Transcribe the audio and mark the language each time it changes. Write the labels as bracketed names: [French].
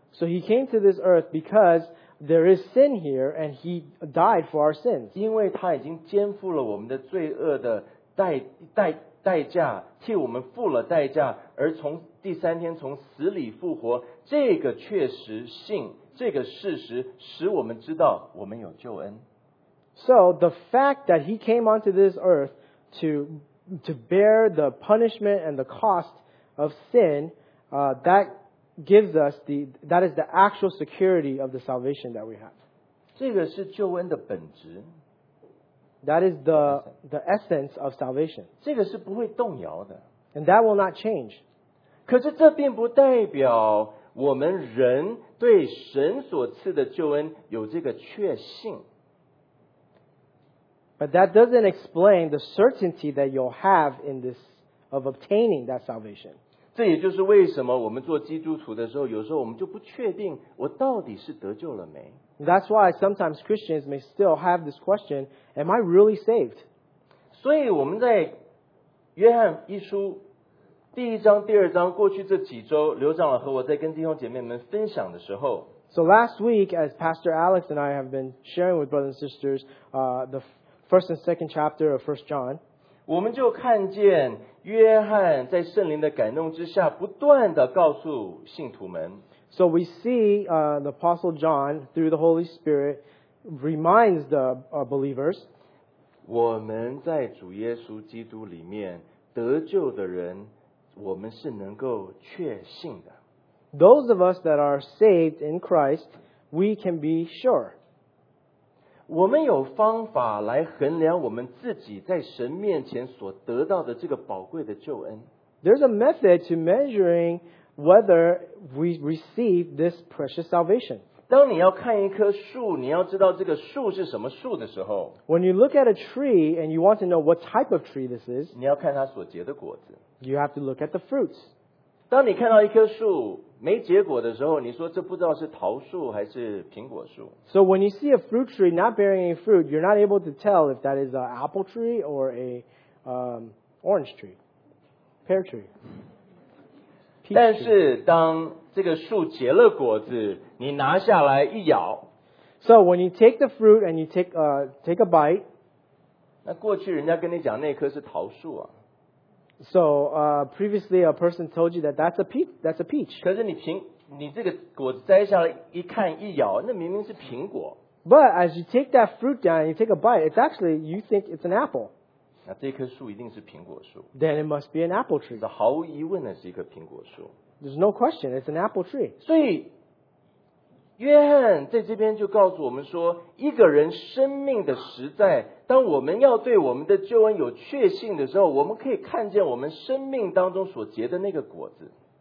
[English] So he came to this earth because There is sin here, and he died for our sins. [Chinese] 因为他已经肩负了我们的罪恶的代价，替我们付了代价，而从第三天从死里复活，这个确实性，这个事实使我们知道我们有救恩。 [English] So the fact that he came onto this earth to bear the punishment and the cost of sin, that gives us that is the actual security of the salvation that we have. [Chinese] 这个是救恩的本质。 [English] That is the essence of salvation. [Chinese] 这个是不会动摇的。 [English] And that will not change. [Chinese] 可是这并不代表我们人对神所赐的救恩有这个确信。 [English] But that doesn't explain the certainty that you'll have in this of obtaining that salvation. [Chinese] 这也就是为什么我们做基督徒的时候，有时候我们就不确定我到底是得救了没。 [English] That's why sometimes Christians may still have this question, am I really saved? [Chinese] 所以我们在约翰一书第一章、第二章，过去这几周，刘长老和我在跟弟兄姐妹们分享的时候， [English] So last week, as Pastor Alex and I have been sharing with brothers and sisters, the first and second chapter of 1 John, [Chinese] 我们就看见约翰在圣灵的感动之下不断地告诉信徒们。 [English] So we see the Apostle John, through the Holy Spirit, reminds the believers, [Chinese] 我们在主耶稣基督里面得救的人，我们是能够确信的。 [English] Those of us that are saved in Christ, we can be sure. [Chinese] 我们有方法来衡量我们自己在神面前所得到的这个宝贵的救恩。 [English] There's a method to measuring whether we receive this precious salvation. [Chinese] 当你要看一棵树，你要知道这个树是什么树的时候， [English] When you look at a tree and you want to know what type of tree this is, [Chinese] 你要看它所结的果子。 [English] You have to look at the fruits. [Chinese] 当你看到一棵树没结果的时候，你说这不知道是桃树还是苹果树。 [English] So when you see a fruit tree not bearing any fruit, you're not able to tell if that is an apple tree or a orange tree, pear tree. [Chinese] 但是当这个树结了果子，你拿下来一咬。 [English] So when you take the fruit and you take a bite, [Chinese] 那过去人家跟你讲那棵是桃树啊。 [English] So previously a person told you that's a peach. [Chinese] 可是你这个果子摘下来一看一咬，那明明是苹果。 [English] But as you take that fruit down and you take a bite, it's actually, you think it's an apple. [Chinese] 那这棵树一定是苹果树。 [English] Then it must be an apple tree. [Chinese] 这毫无疑问的是一棵苹果树。 [English] There's no question, it's an apple tree. [Chinese] 所以约翰在这边就告诉我们说，一个人生命的实在，当我们要对我们的救恩有确信的时候，我们可以看见我们生命当中所结的那个果子。